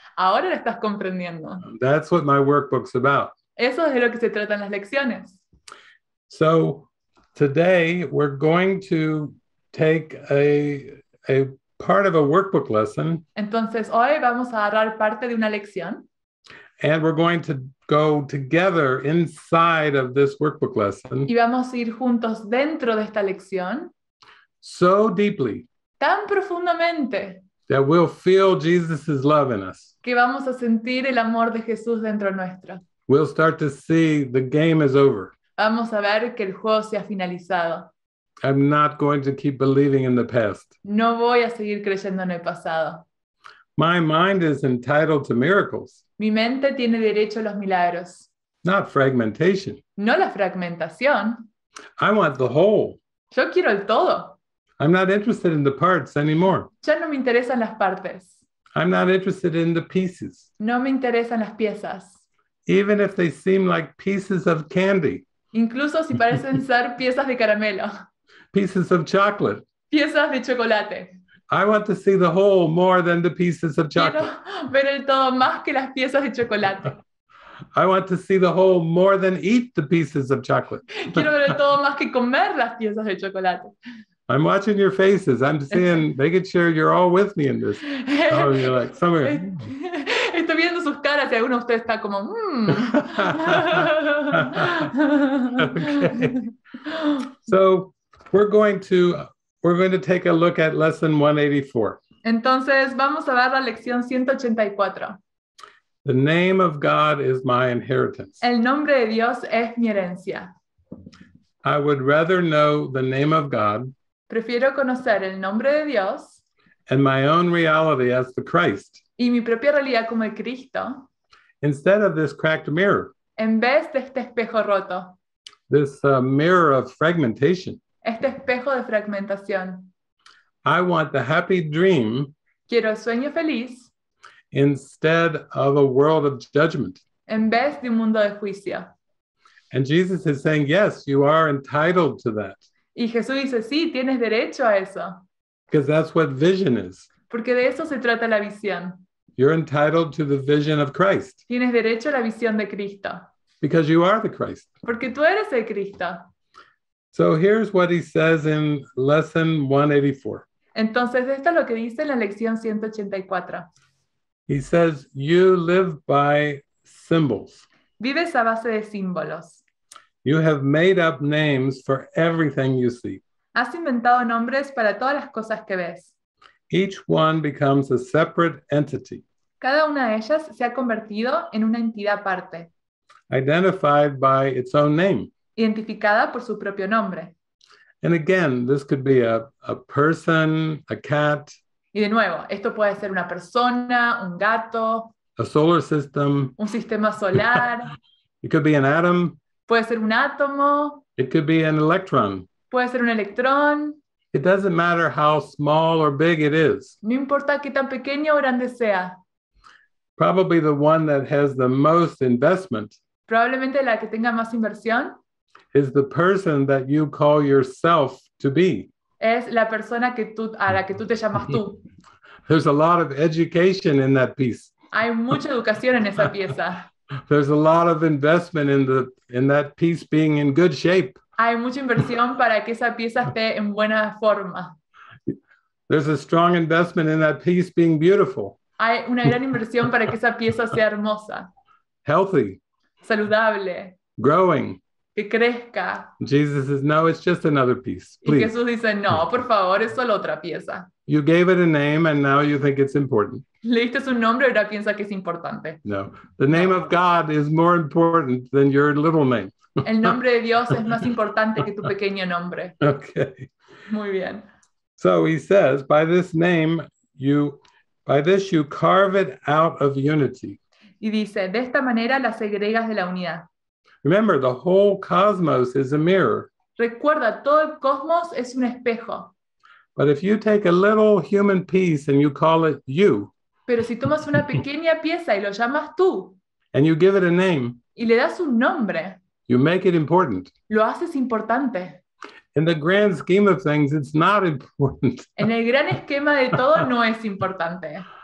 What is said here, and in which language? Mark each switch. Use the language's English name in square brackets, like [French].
[Spanish] Ahora lo estás comprendiendo. [English] That's what my workbook's about. [Spanish] Eso es de lo que se tratan las lecciones. [English] So, today we're going to take a part of a workbook lesson. [Spanish] Entonces, hoy vamos a agarrar parte de una lección. [English] And we're going to go together inside of this workbook lesson. [Spanish] Y vamos a ir juntos dentro de esta lección. [English] So deeply. [Spanish] Tan profundamente. [English] That we'll feel Jesus' love in us. [Spanish] Que vamos a sentir el amor de Jesús dentro nuestro. [English] We'll start to see the game is over. [Spanish] Vamos a ver que el juego se ha finalizado. [English] I'm not going to keep believing in the past. [Spanish] No voy a seguir creyendo en el pasado. [English] My mind is entitled to miracles. [Spanish] Mi mente tiene derecho a los milagros. [English] Not fragmentation. [Spanish] No la fragmentación. [English] I want the whole. [Spanish] Yo quiero el todo. [English] I'm not interested in the parts anymore. [Spanish] Ya no me interesan las partes. [English] I'm not interested in the pieces. [Spanish] No me interesan las piezas. [English] Even if they seem like pieces of candy. [Spanish] Incluso si parecen ser piezas de caramelo. [English] Pieces of chocolate. [Spanish] Piezas de chocolate. [English] I want to see the whole more than the pieces of chocolate. [Spanish] Quiero ver el todo más que las piezas de chocolate. [English] I want to see the whole more than eat the pieces of chocolate. [Spanish] Quiero ver el todo más que comer las piezas de chocolate. [English] I'm watching your faces. I'm seeing, making sure you're all with me in this. Oh, you're like, somewhere. [Spanish] Estoy viendo sus caras y alguno de ustedes está como, [English] Okay. So we're going to take a look at lesson 184. [Spanish] Entonces, vamos a ver la lección 184. [English] The name of God is my inheritance. [Spanish] El nombre de Dios es mi herencia. [English] I would rather know the name of God. [Spanish] Prefiero conocer el nombre de Dios. [English] And my own reality as the Christ. [Spanish] Y mi propia realidad como el Cristo. [English] Instead of this cracked mirror. [Spanish] En vez de este espejo roto. [English] This mirror of fragmentation. [Spanish] Este espejo de fragmentación. [English] I want the happy dream. [Spanish] Quiero el sueño feliz. [English] Instead of a world of judgment. [Spanish] En vez de un mundo de juicio. [English] And Jesus is saying, yes, you are entitled to that. [Spanish] Y Jesús dice, sí, tienes derecho a eso. [English] Because that's what vision is. [Spanish] Porque de eso se trata la visión. [English] You're entitled to the vision of Christ. [Spanish] Tienes derecho a la visión de Cristo. [English] Because you are the Christ. [Spanish] Porque tú eres el Cristo. [English] So here's what he says in lesson 184. [Spanish] Entonces, esto es lo que dice en la lección 184. [English] He says, you live by symbols. [Spanish] Vives a base de símbolos. [English] You have made up names for everything you see. [Spanish] Has inventado nombres para todas las cosas que ves. [English] Each one becomes a separate entity. [Spanish] Cada una de ellas se ha convertido en una entidad aparte. [English] Identified by its own name. [Spanish] Identificada por su propio nombre. [English] And again, this could be a person, a cat. [Spanish] Y de nuevo, esto puede ser una persona, un gato. [English] A solar system. [Spanish] Un sistema solar. [English] It could be an atom. [Spanish] Puede ser un átomo. [English] It could be an electron. [Spanish] Puede ser un electrón. [English] It doesn't matter how small or big it is. [Spanish] No importa qué tan pequeño o grande sea. [English] Probably the one that has the most investment. [Spanish] Probablemente la que tenga más inversión. [English] Is the person that you call yourself to be. [Spanish] Es la persona que tú, a la que tú te llamas tú. [English] There's a lot of education in that piece. [Spanish] Hay mucha educación en esa pieza. [English] There's a lot of investment in that piece being in good shape. [Spanish] Hay mucha inversión para que esa pieza esté en buena forma. [English] There's a strong investment in that piece being beautiful. [Spanish] Hay una gran inversión para que esa pieza sea hermosa. [English] Healthy. [Spanish] Saludable. [English] Growing. [Spanish] Que crezca. [English] Jesus says, no, it's just another piece. Please. [Spanish] Y Jesús dice, no, por favor, es solo otra pieza. [English] You gave it a name and now you think it's important. [Spanish] Le diste su nombre y ahora piensa que es importante. [English] No. The name of God is more important than your little name. [Spanish] El nombre de Dios es más importante que tu pequeño nombre. [English] Okay. [Spanish] Muy bien. [English] So he says, by this you carve it out of unity. [Spanish] Y dice, de esta manera las segregas de la unidad. [English] Remember, the whole cosmos is a mirror. [Spanish] Recuerda, todo el cosmos es un espejo. [English] But if you take a little human piece and you call it you. [Spanish] Pero si tomas una pequeña pieza y lo llamas tú. [English] And you give it a name. [Spanish] Y le das un nombre. [English] You make it important. [Spanish] Lo haces importante. [English] In the grand scheme of things, it's not important. [Spanish] En el gran esquema de todo no es importante.